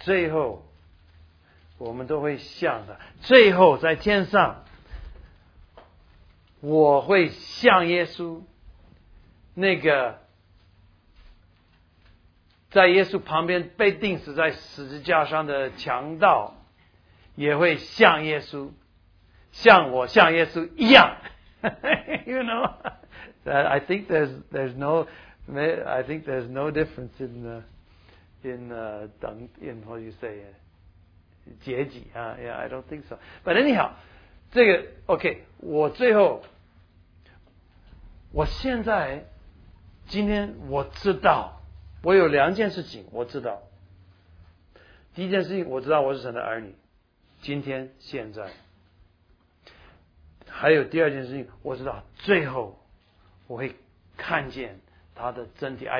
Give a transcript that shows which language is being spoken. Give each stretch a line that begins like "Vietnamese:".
Chinese: 最后我们都会像他，最后在天上我会像耶稣，那个在耶稣旁边被钉死在十字架上的强盗也会像耶稣，像我像耶稣一样。
English: You know, I think there's no difference in what you say,
Chinese: 阶级啊。
English: Yeah, I don't think so. But anyhow,
Chinese: 这个 OK, 我最后，我现在今天我知道我有两件事情，我知道第一件事情，我知道我是神的儿女，今天现在还有第二件事情，我知道最后我会看见他的真体。